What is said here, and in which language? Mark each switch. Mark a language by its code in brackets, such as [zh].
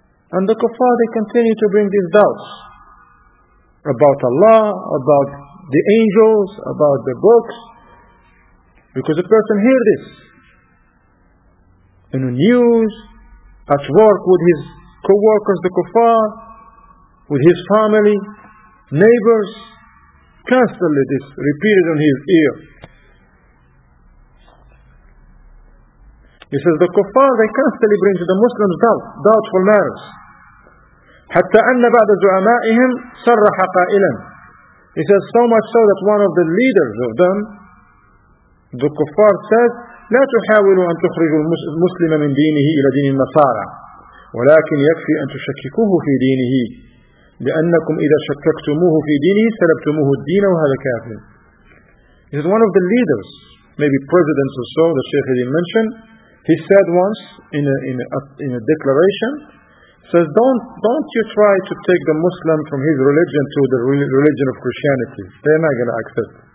[en] And the kuffar, they continue to bring these doubts about Allah, about the angels, about the books, because a person hear this in the news, at work with his co-workers, the kuffar, with his family, neighbors, constantly this repeated on his ear. He says, the kuffar, they constantly bring to the Muslims doubtful matters. [ar] حتى أن بعض زعمائهم صرح قائلا. [en] He says, so much so that one of the leaders of them, the kuffar, said, [ar] لا تحاولوا أن تخرجوا المسلم من دينه إلى دين النصارى، ولكن يكفي أن تشككوه في دينه، لأنكم إذا شككتموه في دينه سلبتموه الدين وهذا كافر. [en] He is one of the leaders, maybe presidents or so, the Sheikh didn't mention. He said once in a declaration, says, don't you try to take the Muslim from his religion to the religion of Christianity. They're not going to accept.